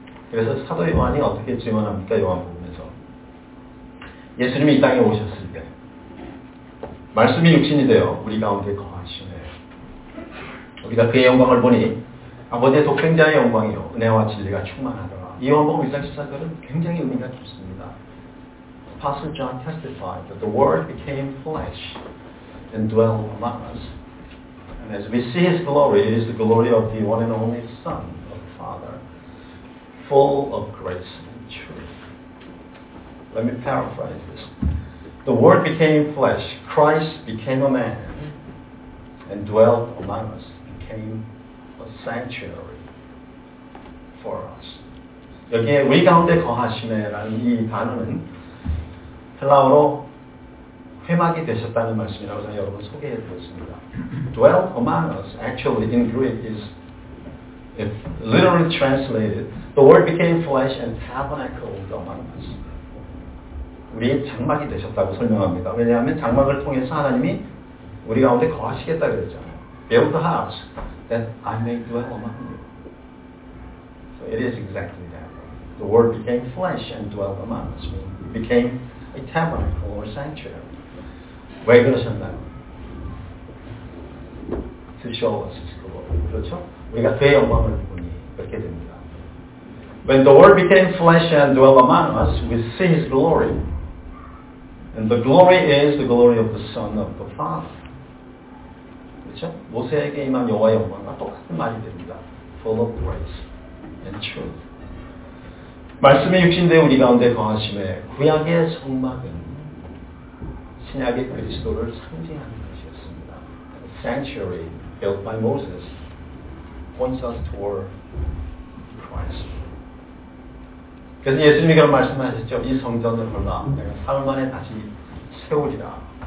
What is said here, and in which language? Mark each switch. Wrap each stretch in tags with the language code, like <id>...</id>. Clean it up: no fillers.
<ko>그래서 사도 요한이 어떻게 증언합니까? 요한복음에서 예수님이 이 땅에 오셨을 때 말씀이 육신이 되어 우리 가운데 거하시네. 우리가 그의 영광을 보니 아버지의 독생자의 영광이요 은혜와 진리가 충만하더라. 이 요한복음 1장 14절은 굉장히 의미가 깊습니다.</ko> <en>Apostle John testified that the Word became flesh and dwelt among us. And as we see His glory, it is the glory of the one and only Son of the Father, full of grace and truth. Let me paraphrase this. The Word became flesh. Christ became a man and dwelt among us, became a sanctuary for us.</en> <ko>여기에 우리 가운데 거하시네라는 이 단어는 헬라어로 회막이 되셨다는 말씀이라고 제가 여러분 소개해 드렸습니다.</ko> <en>Dwelt among us, actually in Greek is it literally translated, the word became flesh and tabernacled among us.</en> <ko>우리의 장막이 되셨다고 설명합니다. 왜냐하면 장막을 통해서 하나님이 우리 가운데 거하시겠다 그랬잖아요.</ko> <en>Build a house that I may dwell among you. So it is exactly that. The word became flesh and dwelt among us. It became a the tabernacle or sanctuary.</en> <ko>왜 그러셨나요?</ko> <en>To show us his glory.</en> <ko>그렇죠? 우리가 그의 영광을 보니 그렇게 됩니다.</ko> <en>When the Word became flesh and dwelt among us, we see his glory. And the glory is the glory of the Son of the Father.</en> <ko>그렇죠? 모세에게 임한 여호와의 영광과 똑같은 말이 됩니다.</ko> <en>Full of grace and truth.</en> <ko>말씀이 육신되어 우리 가운데 거하심에 구약의 성막은 신약의 그리스도를 상징하는 것이었습니다.</ko> <en>The sanctuary built by Moses points us toward Christ.</en> <ko>그래서 예수님이 그런 말씀하셨죠. 이 성전을 헐라 내가 사흘 만에 다시 세우리라.</ko>